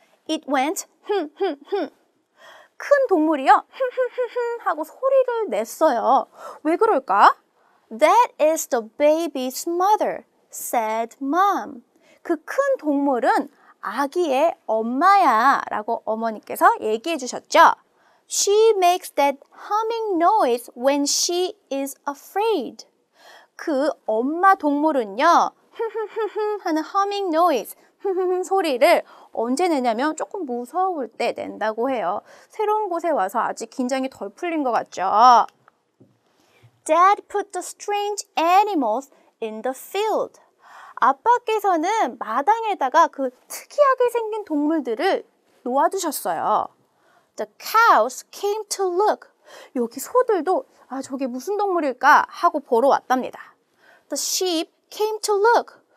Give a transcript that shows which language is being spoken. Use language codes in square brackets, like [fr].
[en] It went hum hum hum. [ko] 큰 동물이요. 흠흠흠흠 하고 소리를 냈어요. 왜 그럴까? [en] That is the baby's mother, said mom. [ko] 그 큰 동물은 아기의 엄마야 라고 어머니께서 얘기해 주셨죠. [en] She makes that humming noise when she is afraid. [ko] 그 엄마 동물은요. 하는 humming noise, 소리를 언제 내냐면 조금 무서울 때 낸다고 해요. 새로운 곳에 와서 아직 긴장이 덜 풀린 것 같죠. [en] Dad put the strange animals in the field. [ko] 아빠께서는 마당에다가 그 특이하게 생긴 동물들을 놓아두셨어요. [en] The cows came to look. [ko] 여기 소들도 아 저게 무슨 동물일까 하고 보러 왔답니다. [en] The sheep came to look.